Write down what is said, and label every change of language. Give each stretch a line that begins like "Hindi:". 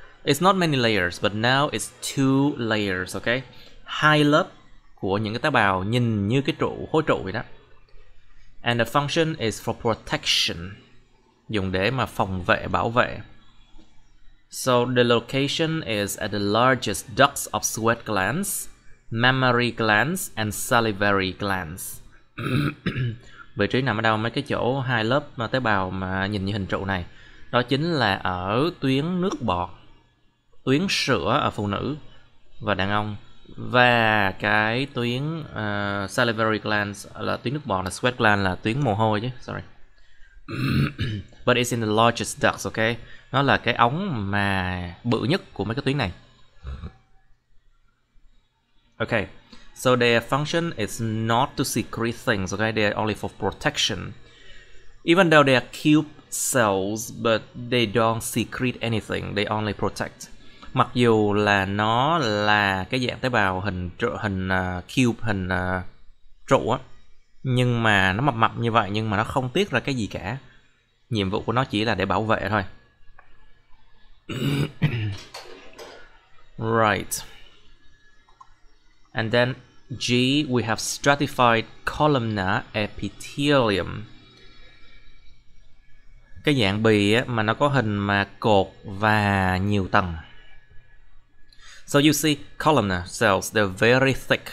English: It's not many layers, but now it's two layers, okay?
Vietnamese: Hai lớp của những cái tế bào nhìn như cái trụ, khối trụ vậy đó.
English: And the function is for protection.
Vietnamese: Dùng để mà phòng vệ, bảo vệ.
English: So the location is at the largest ducts of sweat glands, mammary glands, and salivary glands.
Vietnamese: Vị trí nằm ở đâu mấy cái chỗ hai lớp mà tế bào mà nhìn như hình trụ này? Đó chính là ở tuyến nước bọt, tuyến sữa ở phụ nữ và đàn ông. Và cái tuyến salivary glands là tuyến nước bọt, là sweat gland là tuyến mồ hôi chứ. Sorry.
English: But it's in the largest ducts, okay?
Vietnamese: Nó là cái ống mà bự nhất của mấy cái tuyến này.
English: Okay. So their function is not to secrete things, okay? They are only for protection. Even though they are cube cells, but they don't secrete anything. They only protect.
Vietnamese: Mặc dù là nó là cái dạng tế bào hình cube, hình trụ á, nhưng mà nó mập mập như vậy, nhưng mà nó không tiết ra cái gì cả. Nhiệm vụ của nó chỉ là để bảo vệ thôi.
English: Right. And then G, we have stratified columnar epithelium.
Vietnamese: Cái dạng bì á, mà nó có hình mà cột và nhiều tầng.
English: So you see, columnar cells, they're very thick.